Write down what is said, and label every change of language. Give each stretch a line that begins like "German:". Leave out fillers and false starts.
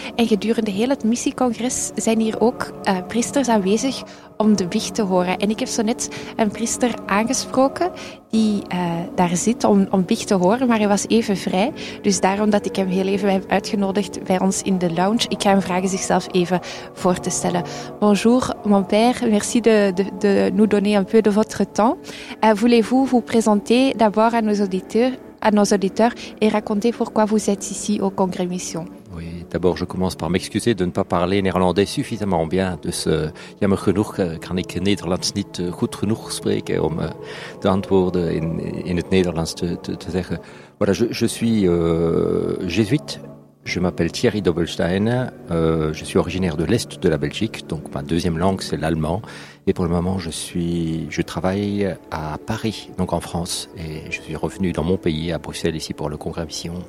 Dutch: En gedurende heel het Missiecongres zijn hier ook priesters aanwezig om de biecht te horen. En ik heb zo net een priester aangesproken die daar zit om biecht te horen, maar hij was even vrij. Dus daarom dat ik hem heel even heb uitgenodigd bij ons in de lounge. Ik ga hem vragen zichzelf even voor te stellen.
French: Bonjour, mon père. Merci de nous donner un peu de votre temps. Voulez-vous vous présenter d'abord à nos auditeurs et raconter pourquoi vous êtes ici au Congrès Mission? Oui, D'abord, je commence par m'excuser de ne pas parler néerlandais suffisamment bien.
Dutch: Dus jammer genoeg kan ik Nederlands niet goed genoeg spreken om de antwoorden in het Nederlands te zeggen.
French: Voilà, je suis jésuite. Je m'appelle Thierry Dobbelstein. Je suis originaire de l'Est de la Belgique. Donc ma deuxième langue, c'est l'allemand. Et pour le moment, je travaille à Paris, donc en France. Et je suis revenu dans mon pays, à Bruxelles, ici pour le Congrès Mission.